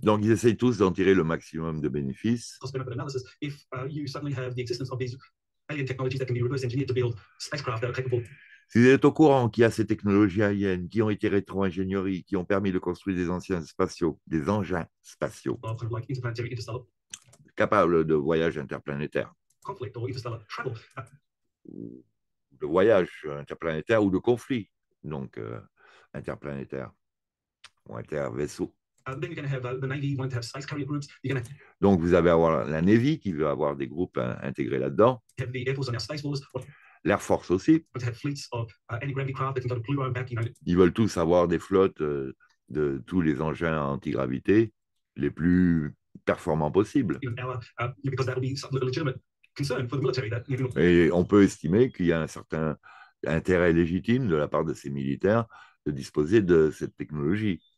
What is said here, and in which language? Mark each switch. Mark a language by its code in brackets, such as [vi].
[fr] Donc, ils essayent tous d'en tirer le maximum de bénéfices. [en] cost-benefit analysis, if you suddenly have the existence of these alien technologies that can be reverse-engineered to build spacecraft that are capable. [fr] Si vous êtes au courant qu'il y a ces technologies aliens qui ont été rétro-ingénieries, qui ont permis de construire des anciens spatiaux, des engins spatiaux, [en] Like interplanetary, interstellar [fr] capables de voyages interplanétaires, [en] conflict or interstellar travel. [fr] ou de voyages interplanétaires ou de conflits donc interplanétaires ou inter-vaisseaux. [en] Then you're going to have the Navy wanting to have space carrier groups. You're going to [fr] Donc vous allez avoir la Navy qui veut avoir des groupes intégrés là-dedans. [en] have the Air Force and our Space Force. [fr] L'Air Force aussi. [en] To have fleets of any gravity craft that can go to Pluto and back. [fr] Ils veulent tous avoir des flottes de tous les engins antigravité les plus performants possibles. Because that will be a legitimate concern for the military that you can. Et on peut estimer qu'il y a un certain intérêt légitime de la part de ces militaires de disposer de cette technologie